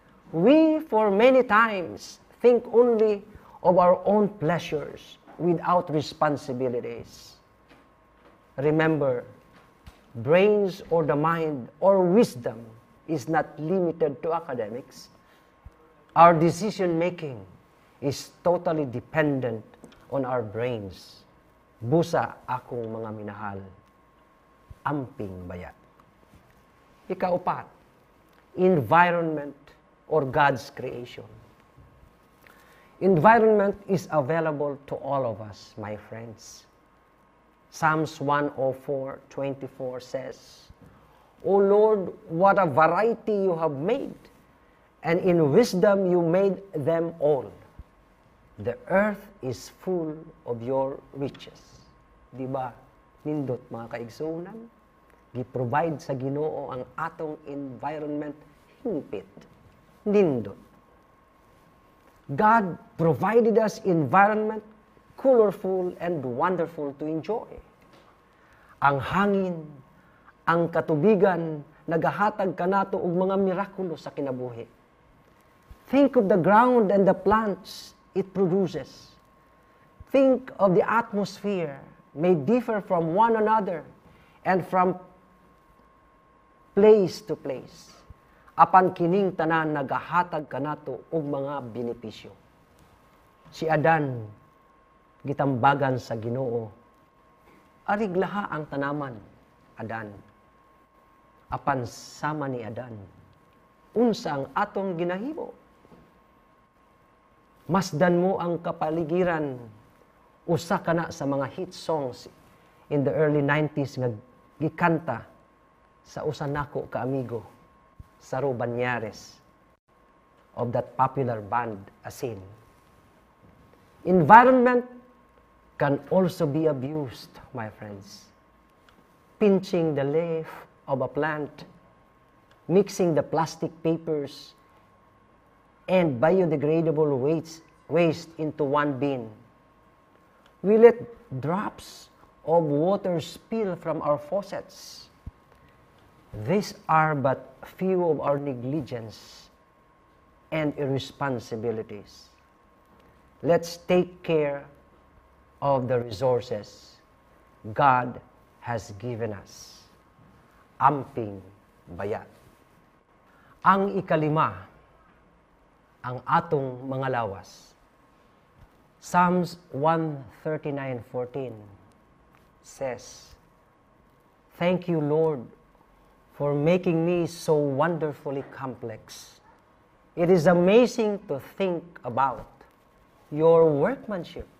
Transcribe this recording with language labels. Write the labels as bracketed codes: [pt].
[en] We, for many times, think only of our own pleasures without responsibilities. Remember, brains or the mind or wisdom is not limited to academics. Our decision-making is totally dependent on our brains. [ceb] Busa akong mga minahal, amping baya. [en] Ikaupat, environment or God's creation. Environment is available to all of us, my friends. Psalms 104:24 says, O Lord, what a variety you have made, and in wisdom you made them all. The earth is full of your riches. [ceb] Diba, nindot mga kaigsoonan, gi-provide sa Ginoo ang atong environment hingpit. Nindot. [en] God provided us environment colorful and wonderful to enjoy. [ceb] Ang hangin, ang katubigan, nagahatag kanato og mga mirakulo sa kinabuhi. [en] Think of the ground and the plants it produces. Think of the atmosphere may differ from one another and from place to place. [ceb] Apan kining tanan nagahatag kanato og mga benepisyo. Si Adan, gitambagan sa Ginoo. Ariglaha ang tanaman, Adan. Apan sama ni Adan, unsa ang atong ginahibo? [tl] Masdan mo ang kapaligiran. [ceb] Usa ka na sa mga [en] hit songs in the early 90s [ceb] nga gikanta sa usa nako ka amigo, Saro Banyares, [en] of that popular band [ceb] Asin. [en] Environment can also be abused, my friends. Pinching the leaf of a plant, mixing the plastic papers and biodegradable waste into one bin. We let drops of water spill from our faucets. These are but few of our negligence and irresponsibilities. Let's take care of the resources God has given us. [ceb] Amping bayat. Ang ikalima, ang atong mga lawas. [en] Psalms 139:14 says, Thank you, Lord, for making me so wonderfully complex. It is amazing to think about your workmanship.